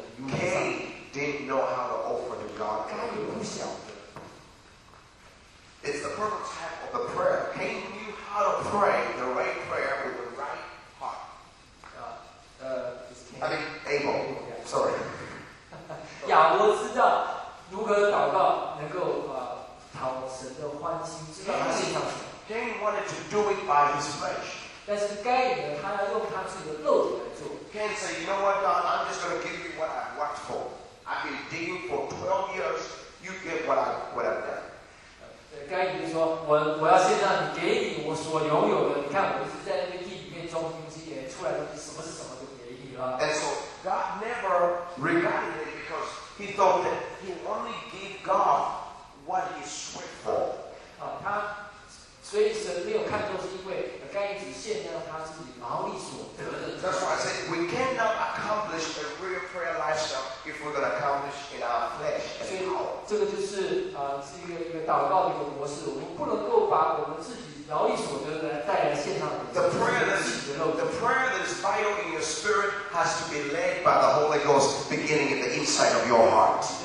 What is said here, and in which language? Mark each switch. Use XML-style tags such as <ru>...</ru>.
<en>Cain didn't know how to offer to God a good offering. It's the perfect type of the prayer. Cain knew how to pray the right prayer with the right heart. Abel. Sorry.</en> <zh>亚伯知道如何祷告能够讨神的欢心，知道他信上神。</zh> <en>Cain wanted to do it by his flesh.</en> <zh>但是该隐呢，他要用他自己的肉体来做。</zh> <en>Cain said, "You know what, God? I'm just going to give you what I've worked for. I've been digging for 12 years. You get what I've done."</en> <zh>该隐说，我要献上你给你我所拥有的。你看，我是在那个地里面中心之野出来的，什么是什么都给你了。</zh> <en>And so God never regarded it. He thought that he only gave God what he sweat for.</en> <zh>他所以神没有看重，是因为该隐只献上他自己劳力所得的。</zh> <en>That's why I said we cannot accomplish a real prayer lifestyle if we're going to accomplish in our flesh.</en> <zh>所以这个就是是一个祷告的一个模式。我们不能够把我们自己劳力所得的带来献上。</zh> <en>The prayer that is vital in your spirit has to be led by the Holy Ghost, beginning at the inside of your heart.</en>